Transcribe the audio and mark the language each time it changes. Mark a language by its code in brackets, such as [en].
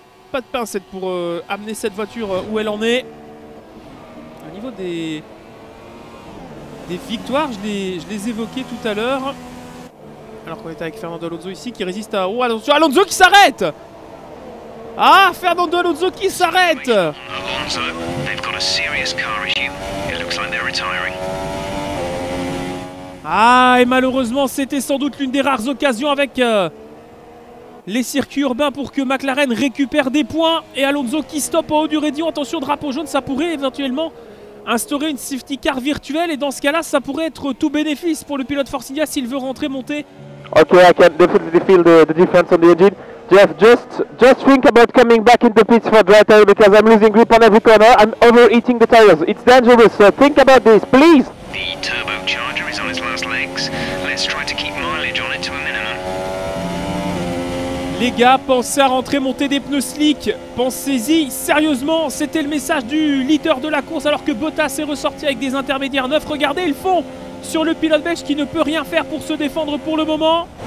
[fr] Pas de pincette pour amener cette voiture où elle en est. Au niveau des victoires, je les évoquais tout à l'heure. Alors qu'on est avec Fernando Alonso ici qui résiste à... Oh, attention, Alonso qui s'arrête! Ah, Fernando Alonso qui s'arrête! [en] Alonso, they've got a serious car issue. It looks like they're retiring. [fr] Ah, et malheureusement, c'était sans doute l'une des rares occasions avec... Les circuits urbains pour que McLaren récupère des points. Et Alonso qui stoppe en haut du radio. Attention, drapeau jaune, ça pourrait éventuellement instaurer une safety car virtuelle. Et dans ce cas-là, ça pourrait être tout bénéfice pour le pilote Force India s'il veut rentrer, monter. [en] Ok, I can definitely feel the difference on the engine. Jeff, just think about coming back into pits for dry tire because I'm losing grip on every corner. I'm overheating the tires. It's dangerous, so think about this, please. The turbocharger is on its last legs. Let's try to keep mileage on it to a minimum. [fr] Les gars, pensez à rentrer, monter des pneus slick. Pensez-y sérieusement. C'était le message du leader de la course alors que Bottas est ressorti avec des intermédiaires neufs. Regardez, ils font sur le pilote belge qui ne peut rien faire pour se défendre pour le moment.